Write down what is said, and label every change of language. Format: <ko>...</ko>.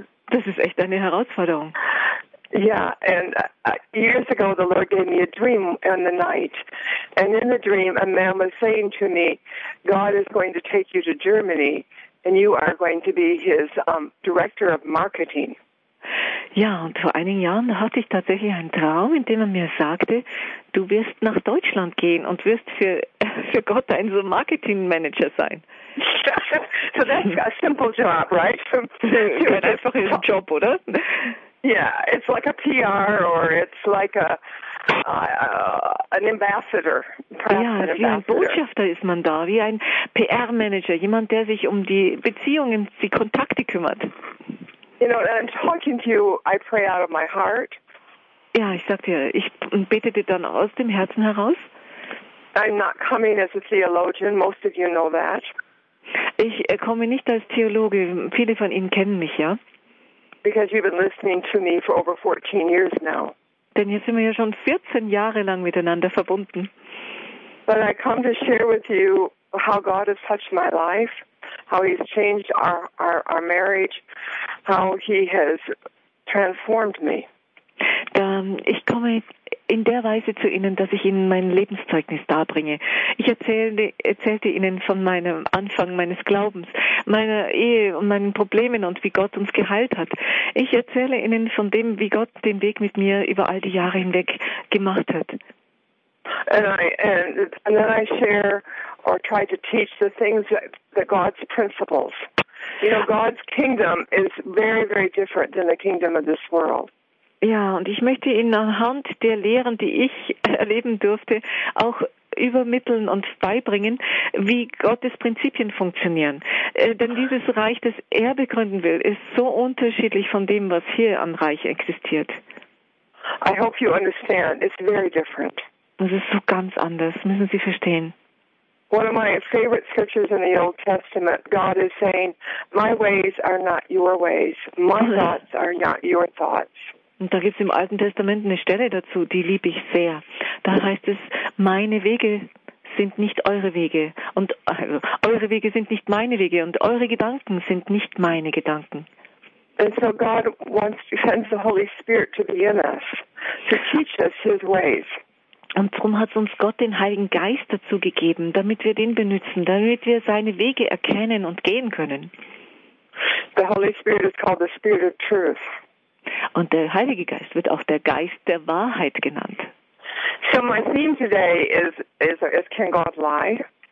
<de>Das ist echt eine Herausforderung.</de> <en>Yeah, and years ago the Lord gave me a dream in the night. And in the dream a man was saying to me, God is going to take you to Germany and you are going to be his director of marketing.</en> <de>Ja, und vor einigen Jahren hatte ich tatsächlich einen Traum, in dem er mir sagte, du wirst nach Deutschland gehen und wirst für Gott ein so Marketingmanager sein.</de> <en>So that's a simple job, right?</en> <de>Ein einfacher Job, oder?</de> <en>Yeah, it's like a PR or it's like a an ambassador.</en> <de>Ja, wie ein Botschafter ist man da, wie ein PR-Manager, jemand, der sich um die Beziehungen, die Kontakte kümmert.</de> <en>You know, and I'm talking to you, I pray out of my heart.</en> <de>Ja, ich sag dir, ich bete dir dann aus dem Herzen heraus.</de> <en>I'm not coming as a theologian, most of you know that.</en> <de>Ich komme nicht als Theologe, viele von Ihnen kennen mich, ja?</de> <en>Because you've been listening to me for over 14 years now.</en> <de>Denn jetzt sind wir ja schon 14 Jahre lang miteinander verbunden.</de> <en>But I come to share with you how God has touched my life, how he's changed our marriage, how he has transformed me.</en> <de>Ich komme in der Weise zu Ihnen, dass ich Ihnen mein Lebenszeugnis darbringe. Ich erzählte Ihnen von meinem Anfang meines Glaubens, meiner Ehe und meinen Problemen und wie Gott uns geheilt hat. Ich erzähle Ihnen von dem, wie Gott den Weg mit mir über all die Jahre hinweg gemacht hat.</de> <en>And then I share or try to teach the things that God's principles. You know, God's kingdom is very, very different than the kingdom of this world.</en> <de>Ja, und ich möchte Ihnen anhand der Lehren, die ich erleben durfte, auch übermitteln und beibringen, wie Gottes Prinzipien funktionieren. Denn dieses Reich, das er begründen will, ist so unterschiedlich von dem, was hier an Reich existiert.</de> <en>I hope you understand. It's very different.</en> <de>Das ist so ganz anders, müssen Sie verstehen.</de> <en>One of my favorite scriptures in the Old Testament, God is saying, my ways are not your ways, my thoughts are not your thoughts.</en> <de>Und da gibt es im Alten Testament eine Stelle dazu, die liebe ich sehr. Da heißt es, meine Wege sind nicht eure Wege. Und eure Wege sind nicht meine Wege. Und eure Gedanken sind nicht meine Gedanken.</de> <en>And so God wants to send the Holy Spirit to be in us, to teach us his ways.</en> <de>Und darum hat uns Gott den Heiligen Geist dazu gegeben, damit wir den benutzen, damit wir seine Wege erkennen und gehen können.</de> <en>The Holy Spirit is called the Spirit of Truth.</en> <de>Und der Heilige Geist wird auch der Geist der Wahrheit genannt.</de> <en>So my theme today is can God lie?</en>